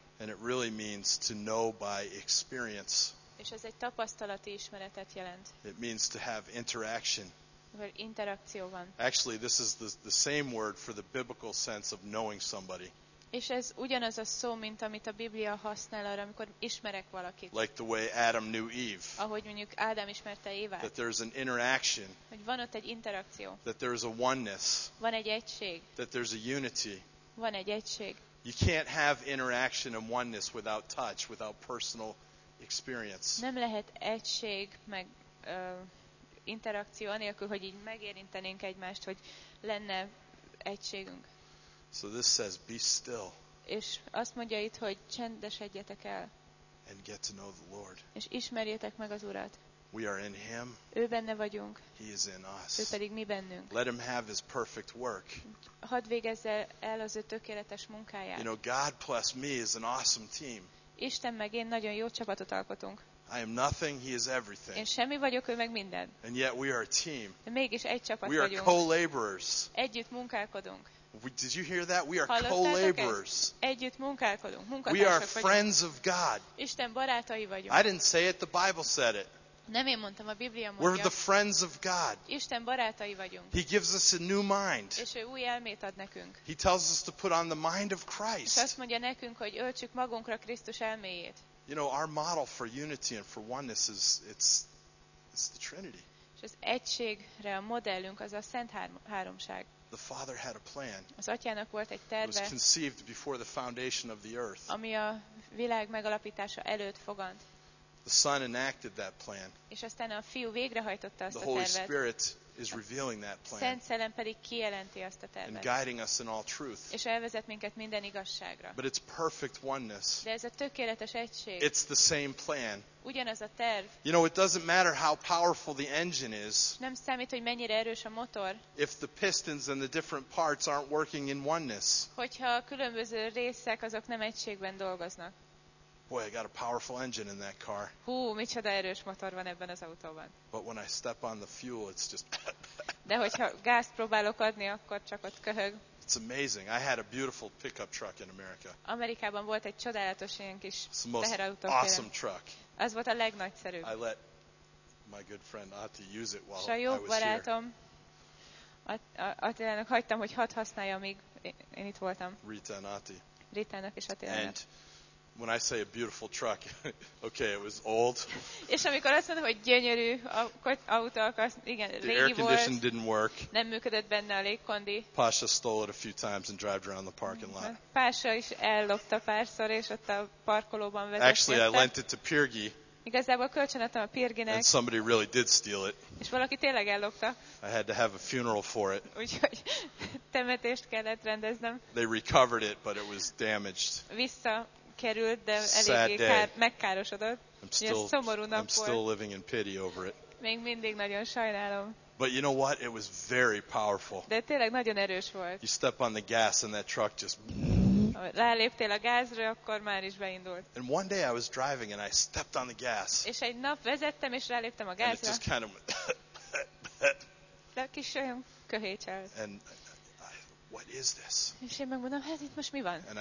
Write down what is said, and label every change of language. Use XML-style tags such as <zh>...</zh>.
<en>And it really means to know by experience.</en> <hu>És ez egy tapasztalati ismeretet jelent.</hu> <en>It means to have interaction.</en> <hu>Mert interakció van.</hu> <en>Actually, this is the same word for the biblical sense of knowing somebody.</en> <hu>És ez ugyanaz a szó, mint amit a Biblia használ arra, amikor ismerek valakit.</hu> <en>Like the way Adam knew Eve.</en> <hu>Ahogy mondjuk Ádám ismerte Évát.</hu> <en>That there's an interaction.</en> <hu>Hogy van ott egy interakció.</hu> <en>That there is a oneness.</en> <hu>Van egy egység.</hu> <en>That there's a unity.</en> <hu>Van egy egység.</hu> <en>You can't have interaction and oneness without touch, without personal experience.</en> <hu>Nem lehet egység meg interakció anélkül, hogy így megérintenénk egymást, hogy lenne egységünk.</hu> <en>So this says, be still.</en> <hu>És azt mondja itt, hogy csendesedjetek el.</hu> <en>And get to know the Lord.</en> <hu>És ismerjétek meg az Urat.</hu> <en>We are in Him.</en> <hu>Ő benne vagyunk.</hu> <en>He is in us.</en> <hu>Ő pedig mi bennünk.</hu> <en>Let Him have His perfect work.</en> <hu>Hadd végezze el az ő tökéletes munkáját.</hu> <en>You know, God plus me is an awesome team.</en> <hu>Isten meg én nagyon jó csapatot alkotunk.</hu> <en>I am nothing, He is everything.</en> <hu>Én semmi vagyok, ő meg minden.</hu> <en>And yet we are a team.</en> <hu>De mégis egy csapat vagyunk.</hu> <en>We are co-laborers.</en> <hu>Együtt munkálkodunk.</hu> <en>Did you hear that? We are co-laborers.</en> <hu>Együtt munkálkodunk.</hu> <en>We are friends of God.</en> <hu>Isten barátai vagyunk.</hu> <en>I didn't say it, the Bible said it.</en> <hu>Nem én mondtam, a Biblia mondja.</hu> <en>We're the friends of God.</en> <hu>Isten barátai vagyunk.</hu> <en>He gives us a new mind.</en> <hu>És ő új elmét ad nekünk.</hu> <en>He tells us to put on the mind of Christ.</en> <hu>És azt mondja nekünk, hogy öltsük magunkra Krisztus elméjét.</hu> <en>You know, our model for unity and for oneness is it's the Trinity.</en> <hu>És az egységre a modellünk az a Szent Háromság.</hu> <en>The Father had a plan.</en> <hu>Az Atyának volt egy terve.</hu> <en>It was conceived before the foundation of the earth.</en> <hu>Ami a világ megalapítása előtt fogant.</hu> <en>The Son enacted that plan.</en> <hu>És aztán a Fiú végrehajtotta azt a tervet.</hu> <en>The Holy Spirit is revealing that plan.</en> <hu>Szent Szellem pedig kijelenti azt a tervet.</hu> <en>And guiding us in all truth.</en> <hu>És elvezet minket minden igazságra.</hu> <en>But it's perfect oneness.</en> <hu>De ez a tökéletes egység.</hu> <en>It's the same plan.</en> <hu>Ugyanaz a terv.</hu> <en>You know, it doesn't matter how powerful the engine is.</en> <hu>Nem számít, hogy mennyire erős a motor.</hu> <en>If the pistons and the different parts aren't working in oneness.</en> <hu>Hogyha a különböző részek azok nem egységben dolgoznak.</hu> <en>Boy, I got a powerful engine in that car.</en> <hu>Hú, micsoda erős motor van ebben az autóban.</hu> <en>But when I step on the fuel, it's just.</en> <hu>De hogyha gázt próbálok adni, akkor csak ott köhög.</hu> <en>It's amazing. I had a beautiful pickup truck in America.</en> <hu>Amerikában volt egy csodálatos ilyen kis teherautó.</hu> <en>Awesome truck.</en> <hu>Az volt a legnagyszerűbb.</hu> <en>I let my good friend Ati use it while I was here. Sajó</en> <hu>barátom, Atilának hagytam, hogy hadd használja, míg én itt voltam.</hu> <en>Rita and Ati.</en> <hu>Ritának és Atilának.</hu> <en>When I say a beautiful truck, okay, it was old.</en> <hu>És amikor azt mondom, hogy gyönyörű autó, igen, régi volt.</hu> <en>The air condition didn't work.</en> <hu>Nem működött benne a légkondi.</hu> <en>Pasha stole it a few times and drove around the parking lot.</en> <hu>Pasha is ellopta párszor, és ott a parkolóban vezetett.</hu> <en>Actually, I lent it to Pirgi.</en> <hu>Igazából kölcsönadtam a Pirginek.</hu> <en>And somebody really did steal it.</en> <hu>És valaki tényleg ellopta.</hu> <en>I had to have a funeral for it.</en> <hu>Úgyhogy temetést kellett rendeznem.</hu> <en>They recovered it, but it was damaged.</en> <hu>Vissza került, de eléggé megkárosodott.</hu> <en>I'm still living in pity over it.</en> <hu>Még mindig nagyon sajnálom.</hu> <en>But you know what? It was very powerful.</en> <hu>De tényleg nagyon erős volt.</hu> <en>You step on the gas and that truck just.</en> <hu>Ráléptél a gázra, akkor már is beindult.</hu> <en>And one day I was driving and I stepped on the gas.</en> <hu>És egy nap vezettem és ráléptem a gázra.</hu> <en>And it just kind of.</en> <hu>De kis olyan köhécsel.</hu> <en>And what is this?</en> <hu>És én megmondom, hát itt most mi van?</hu>